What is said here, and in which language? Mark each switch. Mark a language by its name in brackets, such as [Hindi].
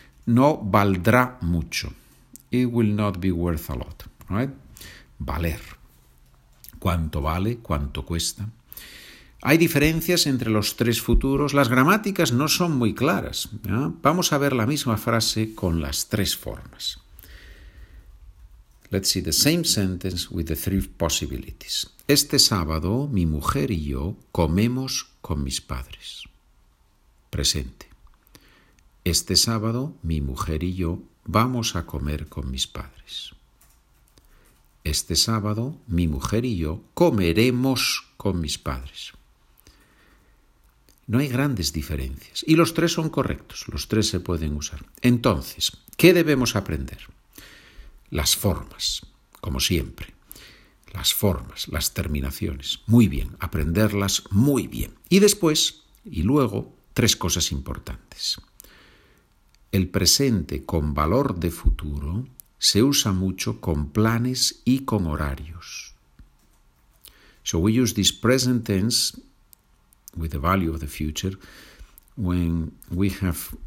[Spanish] No valdrá mucho. [English] It will not be worth a lot. Right? [Spanish] Valer. ¿Cuánto vale? ¿Cuánto cuesta? Hay diferencias entre los tres futuros. Las gramáticas no son muy claras. ¿No? Vamos a ver la misma frase con las tres formas. [English] Let's see the same sentence with the three possibilities. [Spanish] Este sábado, mi mujer y yo comemos con mis padres. Presente. Este sábado, mi mujer y yo vamos a comer con mis padres. Este sábado, mi mujer y yo comeremos con mis padres. No hay grandes diferencias. Y los tres son correctos. Los tres se pueden usar. Entonces, ¿qué debemos aprender? Las formas, como siempre. Las formas, las terminaciones. Muy bien, aprenderlas muy bien. Y después, y luego, tres cosas importantes. El presente con valor de futuro se usa mucho con planes y con horarios. [English] So we use this present tense with the value of the future when we have